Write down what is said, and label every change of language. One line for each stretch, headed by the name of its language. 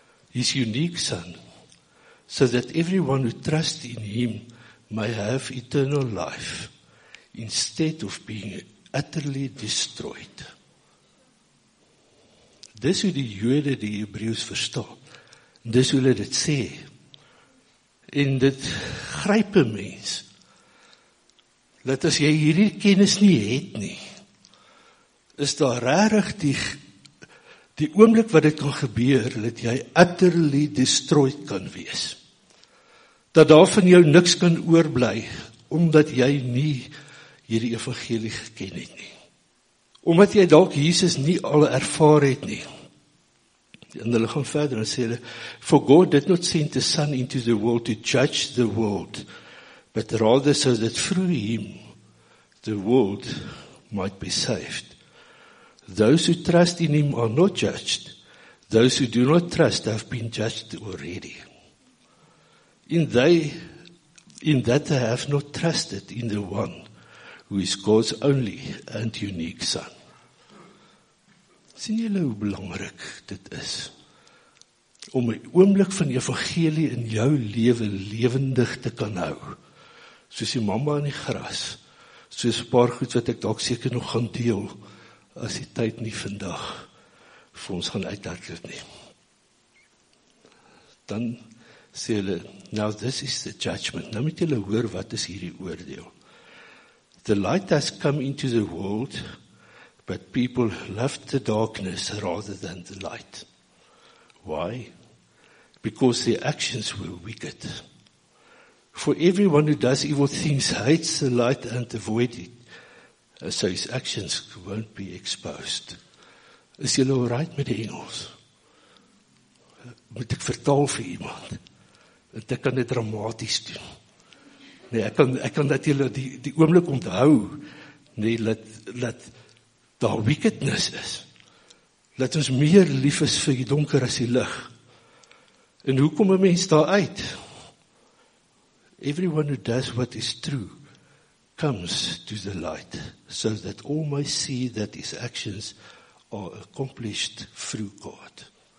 English: his unique son, so that everyone who trusts in him may have eternal life instead of being utterly destroyed.
Afrikaans: Dis hoe die Jode die Hebreëus verstaan. Dis hoe hulle dit sê. En dit gryp 'n mens. Dat as jy hierdie kennis nie het nie, is daar regtig die oomblik wat dit kan gebeur, dat jy utterly destroyed kan wees. Dat daar van jou niks kan oorbly, omdat jy nie hierdie evangelie geken het nie. Omdat jy dalk Jesus nie al ervaar het nie. En hulle gaan verder en sê hulle,
English: for God did not send the Son into the world to judge the world, but rather so that through him the world might be saved. Those who trust in him are not judged. Those who do not trust have been judged already. In that they have not trusted in the one who is God's only and unique Son.
Afrikaans: Sien julle hoe belangrik dit is om 'n oomblik van evangelie in jou lewe lewendig te kan hou. Soos die mamma in die gras, soos 'n paar goed wat ek dalk seker nog gaan deel as die tyd nie vandag vir ons gaan uithardloop nie. Dan sê hulle,
English: now this is the judgment.
Afrikaans: Nou moet julle hoor wat is hierdie oordeel.
English: The light has come into the world, but people love the darkness rather than the light. Why? Because their actions were wicked. For everyone who does evil things hates the light and avoids it, so his actions won't be exposed.
Afrikaans: Is jy nou right met die Engels? Moet ek vertaal vir iemand? Want ek kan dit dramatisch doen. Nee, ek kan dat jy die oomblik onthou, nee, let daar wickedness is. Dat ons meer lief is vir die donker as die lig. En hoe kom 'n mens daar uit?
English: Everyone who does what is true comes to the light, so that all may see that his actions are accomplished through God.